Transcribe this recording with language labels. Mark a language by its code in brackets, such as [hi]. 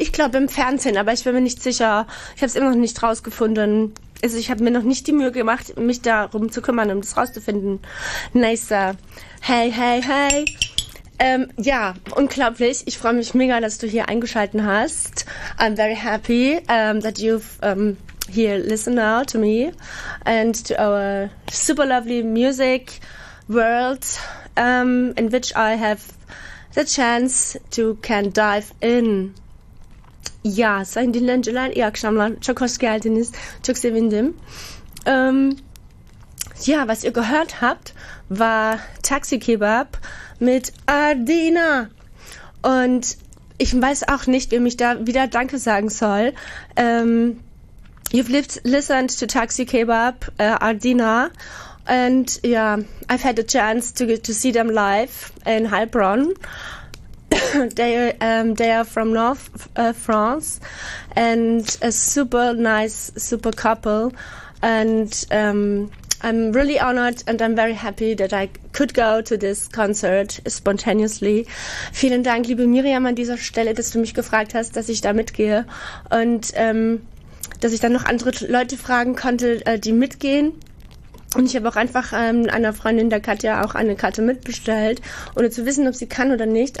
[de] Ich glaube im Fernsehen, aber ich bin mir nicht sicher. Ich habe es immer noch nicht rausgefunden. Also ich habe mir noch nicht die Mühe gemacht, mich darum zu kümmern, um das rauszufinden. Nice. Hey, hey, hey. Ja, unglaublich. Ich freue mich mega, dass du hier eingeschalten hast. [en] I'm very happy that you've here listened now to me and to our super lovely music world, in which I have the chance to can dive in. Ja, so in den Ländern, ja, Kschnammler, Tschokoskialtin ist, Tschoksewindim. [de] Ja, was ihr gehört habt, war Taxi Kebab mit Ardina. Und ich weiß auch nicht, wem ich da wieder Danke sagen soll. [en] You've listened to Taxi Kebab, Ardina. And yeah, I've had a chance to see them live in Heilbronn. they are from North France, and a super nice, super couple. And I'm really honored, and I'm very happy that I could go to this concert spontaneously. [de] Vielen Dank, liebe Miriam, an dieser Stelle, dass du mich gefragt hast, dass ich da mitgehe, und dass ich dann noch andere Leute fragen konnte, die mitgehen. Und ich habe auch einfach einer Freundin, der Katja, auch eine Karte mitbestellt, ohne zu wissen, ob sie kann oder nicht.